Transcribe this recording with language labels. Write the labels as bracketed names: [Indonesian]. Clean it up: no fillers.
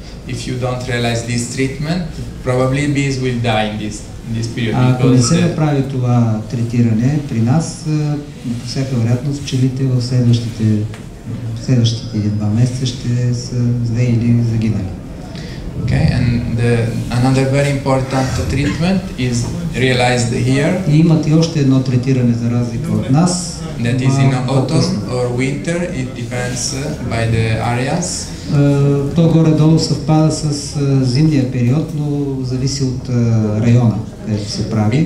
[English] If you don't realize this treatment, probably bees will die in this period. [Bulgarian] Ако не се направи това третиране при нас, по всяка вероятност пчелите в следващите 1-2 месеца ще са зле или загинали. [English] Okay, and another very important treatment is realized here. [Bulgarian] И имат и още едно третиране за разлика от нас. [English] That is in autumn or winter, it depends by the areas. [Bulgarian] То горе-долу съвпада с зимния период, но зависи от района, където се прави.